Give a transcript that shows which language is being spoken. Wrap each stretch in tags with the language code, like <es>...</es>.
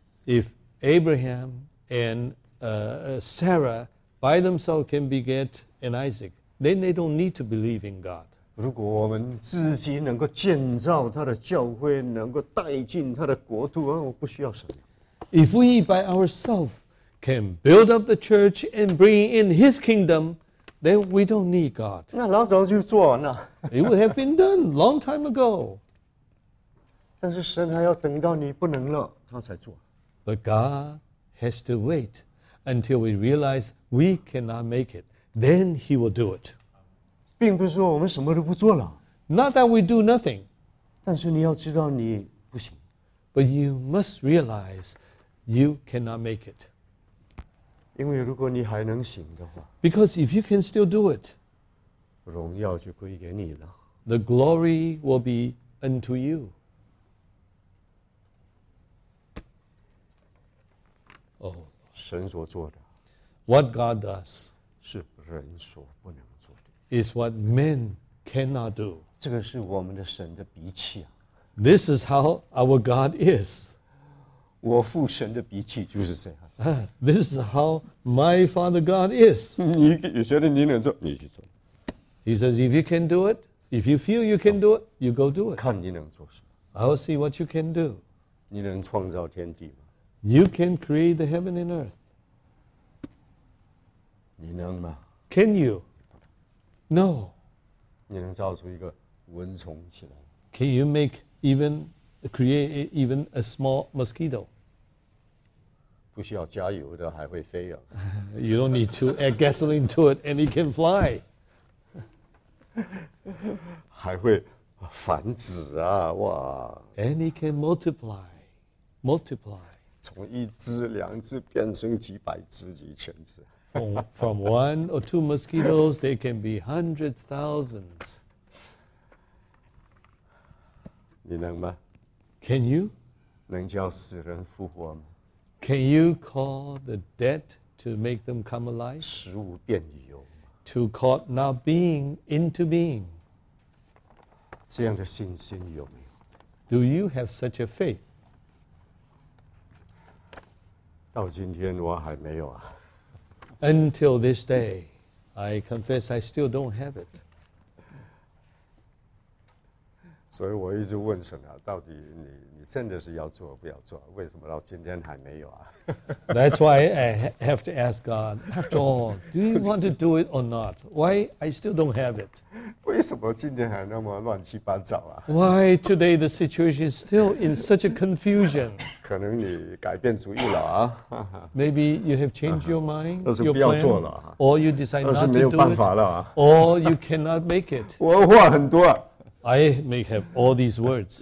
<en>If Abraham andSarah by themselves can beget an Isaac, then they don't need to believe in God.</en> <zh>如果我们自己能够建造他的教会，能够带进他的国度，我不需要什么。</zh> <en>If we by ourselves can build up the church and bring in his kingdom, then we don't need God.</en> <zh>那老早就做完了。</zh> <en>It would have been done long time ago.</en> <zh>但是神还要等到你不能了，他才做。</zh> <en>But God has to wait until we realize we cannot make it. Then he will do it.</en> <zh>并不是说我们什么都不做了。</zh> <en>Not that we do nothing.</en> <zh>但是你要知道你不行。</zh> <en>But you must realize you cannot make it.</en> <zh>因为如果你还能行的话。</zh> <en>Because if you can still do it,</en> <zh>荣耀就归给你了。</zh> <en>The glory will be unto you.</en> <zh>神所做的。</zh> <en>What God does.</en> <zh>是人所不能。</zh> <en>Is what men cannot do.</en> <zh>这个是我们的神的脾气啊。</zh> <en>This is how our God is.</en> <zh>我父神的脾气就是这样。</zh> <en>This is how my Father God is.</en> <zh>你觉得你能做，你去做。</zh> <en>He says, if you can do it, if you feel you can do it, you go do it.</en> <zh>看你能做什么。</zh> <en>I will see what you can do.</en> <zh>你能创造天地吗？</zh> <en>You can create the heaven and earth.</en> <zh>你能吗？</zh> <en>Can you? No.</en> <zh>你能造出一个蚊虫起来。</zh> <en>Can you make even, create even a small mosquito?</en> <zh>不需要加油的还会飞啊。</zh> <en>You don't need to add gasoline to it and it can fly.</en> <zh>还会繁殖啊哇。</zh> <en>And it can multiply, multiply.</en> <zh>从一只两只变成几百只几千只。</zh> <en>From one or two mosquitoes, they can be hundreds, thousands.</en> <zh>你能吗?</zh> <en>Can you?</en> <zh>能叫死人复活吗?</zh> <en>Can you call the dead to make them come alive?</en> <zh>食物变有。</zh> <en>To call not being into being.</en> <zh>这样的信心有没有?</zh> <en>Do you have such a faith?</en> <zh>到今天我还没有啊。</zh> <en>Until this day, I confess I still don't have it.</en> <zh>所以我一直问神啊，到底你真的是要做不要做？为什么到今天还没有啊？</zh> <en>That's why I have to ask God. After all, do you want to do it or not? Why I still don't have it?</en> <zh>为什么今天还那么乱七八糟啊？</zh> <en>Why today the situation is still in such a confusion?</en> <zh>可能你改变主意了啊。</zh> <en>Maybe you have changed your mind, your plan,</en> <zh>那是不要做了啊。</zh> <en>Or you decide not to do it.</en> <zh>那是没有办法了啊。</zh> <en>Or you cannot make it.</en> <zh>我话很多啊。</zh> <en>I may have all these words.</en>